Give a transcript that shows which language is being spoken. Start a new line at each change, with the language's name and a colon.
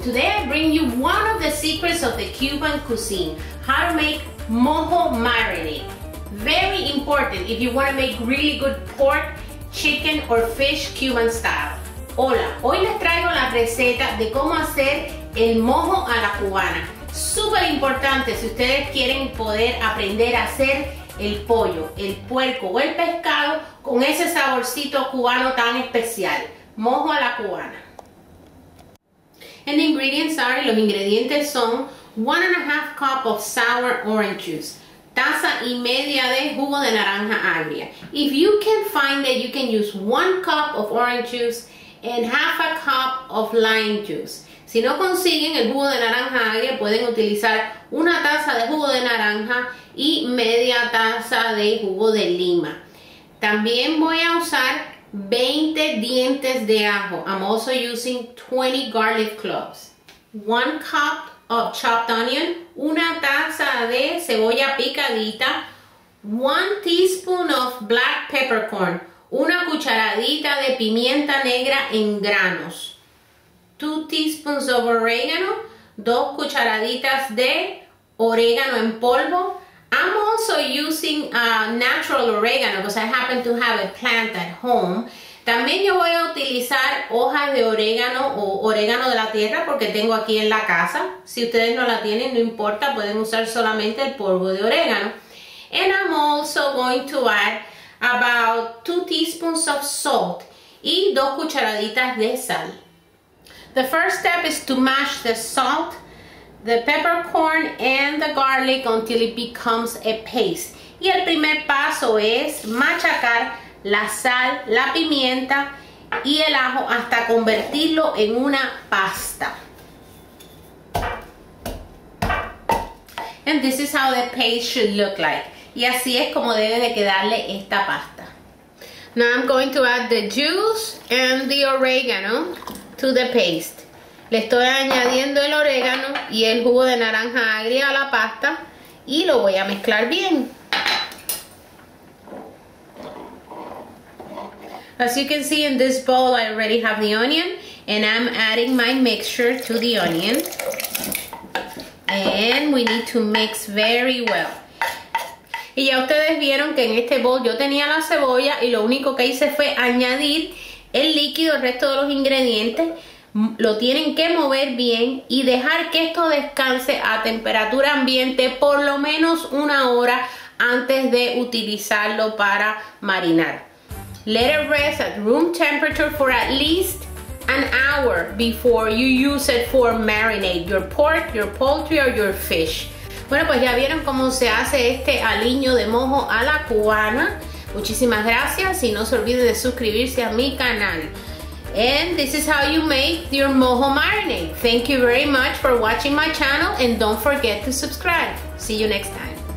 English: Today I bring you one of the secrets of the Cuban cuisine, how to make mojo marinade. Very important if you want to make really good pork, chicken or fish Cuban style.
Spanish: Hola, hoy les traigo la receta de cómo hacer el mojo a la cubana. Súper importante si ustedes quieren poder aprender a hacer el pollo, el puerco o el pescado con ese saborcito cubano tan especial. Mojo a la cubana.
English: And the ingredients are,
Spanish: los ingredientes son
English: 1½ cup of sour orange juice,
Spanish: taza y media de jugo de naranja agria.
English: If you can find it, you can use 1 cup of orange juice and 1/2 cup of lime juice.
Spanish: Si no consiguen el jugo de naranja agria, pueden utilizar 1 taza de jugo de naranja y media taza de jugo de lima. También voy a usar 20 dientes de ajo.
English: I'm also using 20 garlic cloves. 1 cup of chopped onion.
Spanish: 1 taza de cebolla picadita.
English: 1 teaspoon of black peppercorn.
Spanish: 1 cucharadita de pimienta negra en granos.
English: 2 teaspoons of oregano.
Spanish: 2 cucharaditas de orégano en polvo.
English: I'm also using natural oregano because I happen to have a plant at home.
Spanish: También yo voy a utilizar hojas de orégano o orégano de la tierra porque tengo aquí en la casa. Si ustedes no la tienen, no importa, pueden usar solamente el polvo de orégano.
English: And I'm also going to add about 2 teaspoons of salt
Spanish: y 2 cucharaditas de sal.
English: The first step is to mash the salt, the peppercorn and the garlic until it becomes a paste.
Spanish: Y el primer paso es machacar la sal, la pimienta y el ajo hasta convertirlo en una pasta.
English: And this is how the paste should look like.
Spanish: Y así es como debe de quedarle esta pasta.
English: Now I'm going to add the juice and the oregano to the paste.
Spanish: Le estoy añadiendo el orégano y el jugo de naranja agria a la pasta y lo voy a mezclar bien.
English: As you can see in this bowl, I already have the onion and I'm adding my mixture to the onion. And we need to mix very well.
Spanish: Y ya ustedes vieron que en este bowl yo tenía la cebolla y lo único que hice fue añadir el líquido, el resto de los ingredientes. Lo tienen que mover bien y dejar que esto descanse a temperatura ambiente por lo menos 1 hora antes de utilizarlo para marinar.
English: Let it rest at room temperature for at least 1 hour before you use it for marinade, your pork, your poultry or your fish.
Spanish: Bueno, pues ya vieron cómo se hace este aliño de mojo a la cubana. Muchísimas gracias y no se olviden de suscribirse a mi canal.
English: And this is how you make your mojo marinade. Thank you very much for watching my channel and don't forget to subscribe. See you next time.